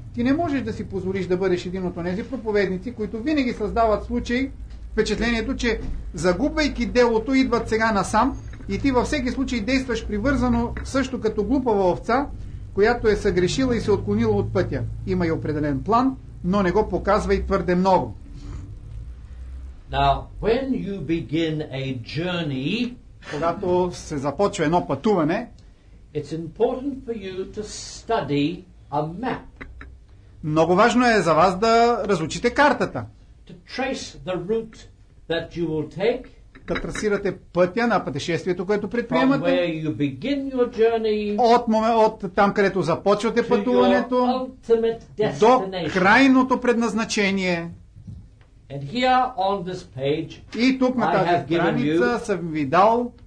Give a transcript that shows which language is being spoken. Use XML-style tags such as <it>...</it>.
<bg>Ти не можеш да си позволиш да бъдеш един от тези проповедници, които винаги създават случай, впечатлението, че загубвайки делото, идват сега насам и ти във всеки случай действаш привързано също като глупава овца, която е съгрешила и се отклонила от пътя. Има и определен план, но не го показва и твърде много.</bg> <en>Now, when you begin a journey,</en> <bg>когато се започва едно пътуване,</bg> <en>it's important for you to study a map.</en> <bg>Много важно е за вас да разучите картата.</bg> <en>To trace the route that you will take.</en> <bg>Да трасирате пътя на пътешествието, което предприемате.</bg> <en>From where you begin your journey.</en> <bg>От там, където започвате пътуването.</bg> <en>To your ultimate destination.</en> <bg>До крайното предназначение.</bg> <en>And here on this page,</en> <bg>и тук на тази страница съм ви дал</bg>